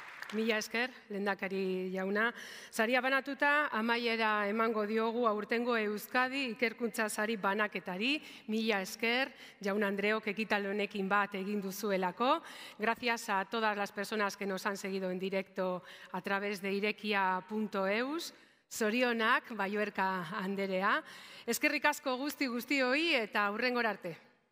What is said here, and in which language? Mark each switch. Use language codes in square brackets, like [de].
[eu] Mila esker, lehendakari jauna. Saria banatuta, amaiera emango diogu aurtengo Euskadi ikerkuntza sari banaketari. Mila esker, jaun andreok ekitaldi honekin bat egin duzuelako. [es] Gracias a todas las personas que nos han seguido en directo a través de irekia.eus. [eu] Zorionak, Balluerka anderea. Eskerrik asko guzti guztioi eta aurrengora arte.